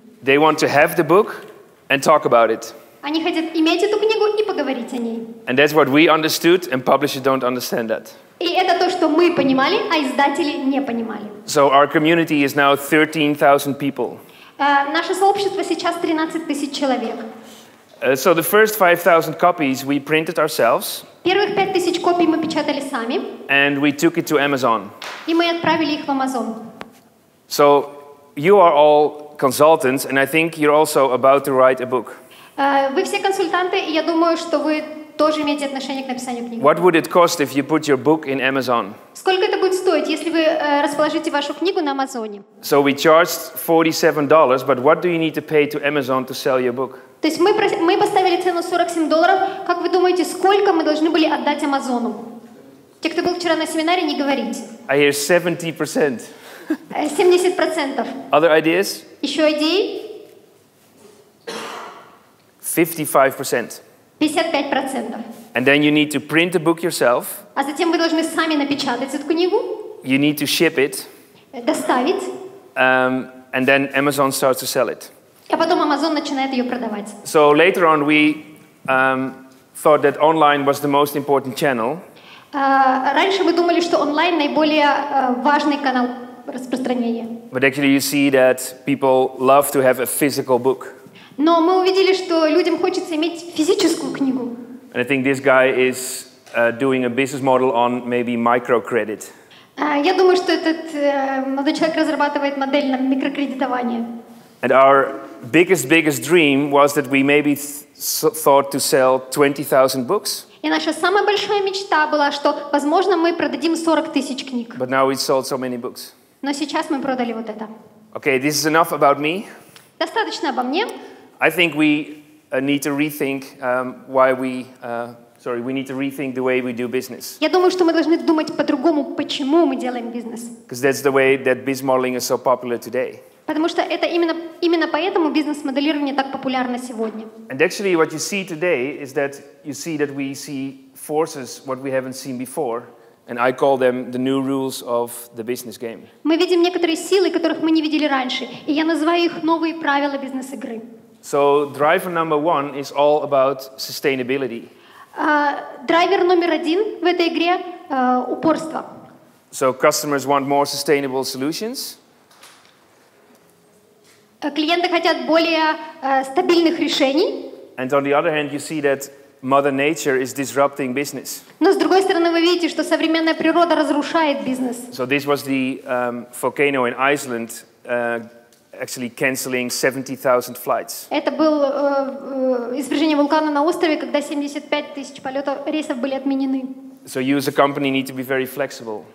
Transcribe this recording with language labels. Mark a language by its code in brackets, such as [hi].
[en] They want to have the book and talk about it. [ru] Они хотят иметь эту книгу и поговорить о ней. [en] And that's what we understood, and publishers don't understand that. [ru] И это то, что мы понимали, а издатели не понимали. [en] So our community is now 13,000 people. [ru] Наше сообщество сейчас 13,000 человек. [en] So the first 5,000 copies we printed ourselves. [ru] Первых 5,000 копий мы печатали сами. [en] And we took it to Amazon. [ru] И мы отправили их в Amazon. [en] So you are all consultants, and I think you're also about to write a book. [ru] Вы все консультанты, и я думаю, что вы тоже имеете отношение к написанию книги. [en] What would it cost if you put your book in Amazon? [ru] Сколько это будет стоить, если вы расположите вашу книгу на Амазоне? [en] So we charged $47, but what do you need to pay to Amazon to sell your book? [ru] То есть мы поставили цену $47. Как вы думаете, сколько мы должны были отдать Амазону? Те, кто был вчера на семинаре, не говорите. [en] I hear 70%. [ru] 70%. [en] Other ideas? [ru] Еще идеи? [en] 55%. [ru] 55%. [en] And then you need to print the book yourself. [ru] А затем вы должны сами напечатать эту книгу. [en] You need to ship it. [ru] Доставить. [en] And then Amazon starts to sell it. [ru] А потом Amazon начинает ее продавать. [en] So later on we thought that online was the most important channel. [ru] Раньше мы думали, что онлайн наиболее важный канал распространения. [en] But actually you see that people love to have a physical book. [ru] Но мы увидели, что людям хочется иметь физическую книгу. [en] And I think this guy is doing a business model on maybe microcredit. [ru] Я думаю, что этот молодой человек разрабатывает модель на микрокредитование. [en] And our biggest dream was that we maybe thought to sell 20,000 books. [ru] И наша самая большая мечта была, что, возможно, мы продадим 40,000 книг. [en] But now we sold so many books. [ru] Но сейчас мы продали вот это. [en] Okay, this is enough about me. [ru] Достаточно обо мне. [en] I think we need to rethink we need to rethink the way we do business. [ru] Я думаю, что мы должны думать по-другому, почему мы делаем бизнес. [en] Because that's the way that business modeling is so popular today. [ru] Потому что это именно поэтому бизнес-моделирование так популярно сегодня. [en] And actually what you see today is that you see that we see forces what we haven't seen before. And I call them the new rules of the business game. [ru] Мы видим некоторые силы, которых мы не видели раньше, и я называю их новые правила бизнес-игры. [en] So driver number one is all about sustainability. [ru] Драйвер номер один в этой игре упорство. [en] So customers want more sustainable solutions. [ru] Клиенты хотят более стабильных решений. [en] And on the other hand, you see that Mother Nature is disrupting business. [ru] Но с другой стороны, вы видите, что современная природа разрушает бизнес. [en] So this was the volcano in Iceland actually canceling 70,000 flights. [ru] Это был извержение вулкана на острове, когда 75 тысяч полетов рейсов были отменены. [en] So you as a company need to be very flexible.